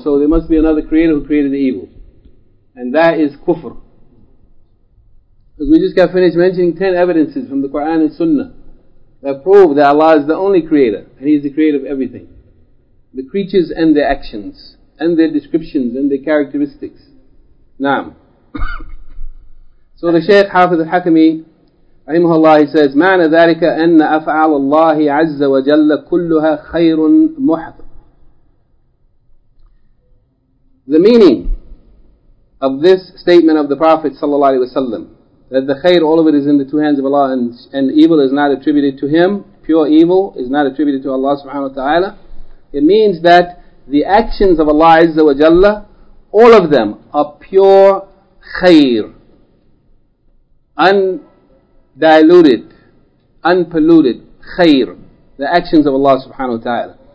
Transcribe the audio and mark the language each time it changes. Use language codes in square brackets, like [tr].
[en] So there must be another creator who created the evil. And that is kufr. Because we just got finished mentioning 10 evidences from the Quran and Sunnah that prove that Allah is the only creator. And he is the creator of everything. The creatures and their actions. And their descriptions and their characteristics. [ar] Naam. [en] So the Shaykh Hafiz al-Hakimi, rahimahullah, he says, [ar] مَعْنَ ذَلِكَ أَنَّ أَفْعَالَ اللَّهِ عَزَّ وَجَلَّ كُلُّهَا خَيْرٌ مُحْضٌ. [en] The meaning of this statement of the Prophet ﷺ, that the khair, all of it is in the two hands of Allah, and evil is not attributed to him, pure evil is not attributed to Allah subhanahu wa ta'ala, it means that the actions of Allah Azza wa Jalla, all of them are pure khair, undiluted, unpolluted khair, the actions of Allah subhanahu wa ta'ala.